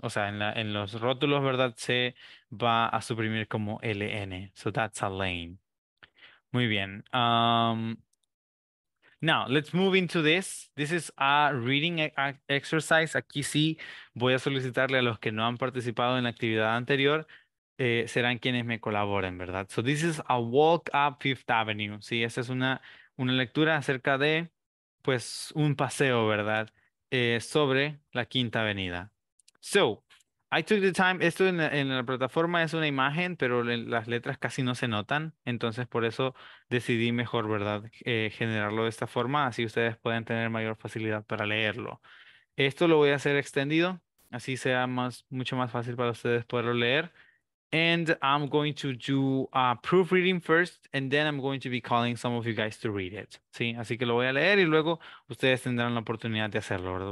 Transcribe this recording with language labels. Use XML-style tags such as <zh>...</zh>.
<es>O sea, en los rótulos, ¿verdad? Se va a suprimir como LN.</es> <en>So that's a lane.</en> <es>Muy bien.</es> <en>Now, let's move into this. This is a reading exercise.</en> <es>Aquí sí voy a solicitarle a los que no han participado en la actividad anterior. Serán quienes me colaboren, ¿verdad?</es> <en>So this is a walk up Fifth Avenue.</en> <es>Sí, esa es una lectura acerca de, pues, un paseo, ¿verdad? Sobre la Quinta Avenida.</es> <en>So, I took the time.</en> <es>Esto en la plataforma es una imagen, pero las letras casi no se notan. Entonces, por eso decidí mejor, ¿verdad? Generarlo de esta forma. Así ustedes pueden tener mayor facilidad para leerlo. Esto lo voy a hacer extendido. Así sea mucho más fácil para ustedes poderlo leer.</es> <en>And I'm going to do a proofreading first, and then I'm going to be calling some of you guys to read it.</en> <es>Sí, así que lo voy a leer y luego ustedes tendrán la oportunidad de hacerlo, ¿verdad?</es>